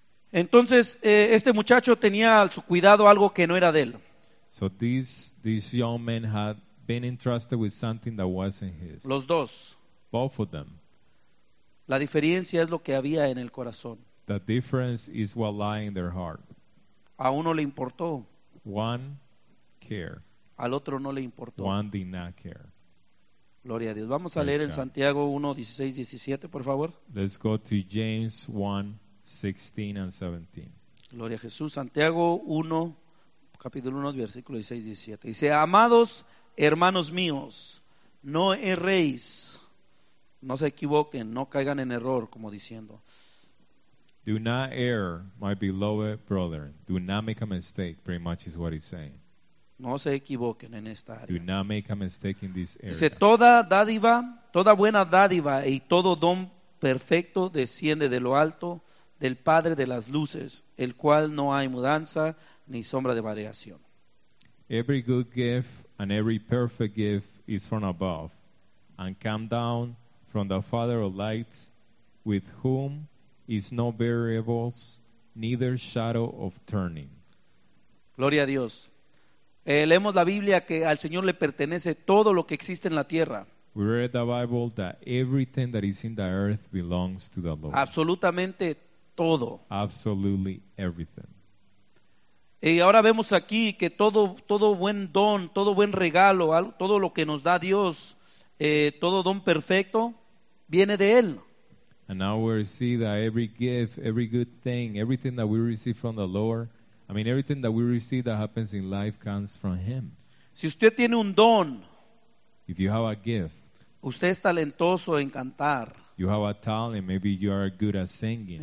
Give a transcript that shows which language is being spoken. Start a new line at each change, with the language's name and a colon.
Spanish: Entonces, este muchacho tenía a su cuidado algo que no era de él.
English: So this young man had been entrusted with something that wasn't his.
Spanish: Los dos.
English: Both of them.
Spanish: La diferencia es lo que había en el corazón.
English: The difference is what lies in their heart.
Spanish: A uno le importó.
English: One cared.
Spanish: Al otro no le importó.
English: One did not care.
Spanish: Gloria a Dios. Vamos a leer en Santiago 1, 16, 17, por favor.
English: Let's go to James 1, 16 and 17.
Spanish: Gloria a Jesús. Santiago 1, capítulo 1, versículo 16, 17. Dice, amados hermanos míos, no erréis. No se equivoquen, no caigan en error, como diciendo.
English: Do not err, my beloved brethren. Do not make a mistake, pretty much is what he's saying.
Spanish: No se equivoquen en esta área.
English: Do not make a mistake in this area.
Spanish: Dice, toda dádiva, toda buena dádiva y todo don perfecto desciende de lo alto del Padre de las luces, el cual no hay mudanza ni sombra de variación.
English: Every good gift and every perfect gift is from above and come down from the Father of lights, with whom is no variables, neither shadow of turning.
Spanish: Gloria a Dios. Leemos la Biblia que al Señor le pertenece todo lo que existe en la tierra.
English: We read the Bible that everything that is in the earth belongs to the Lord.
Spanish: Absolutamente todo.
English: Absolutely everything.
Spanish: Y ahora vemos aquí que todo buen don, todo buen regalo, todo lo que nos da Dios, todo don perfecto, viene de Él.
English: And now we see that every gift, every good thing, everything that we receive from the Lord, I mean, everything that we receive that happens in life comes from Him.
Spanish: Si usted tiene un don,
English: if you have a gift,
Spanish: usted es talentoso en cantar.
English: You have a talent, maybe you are good at singing.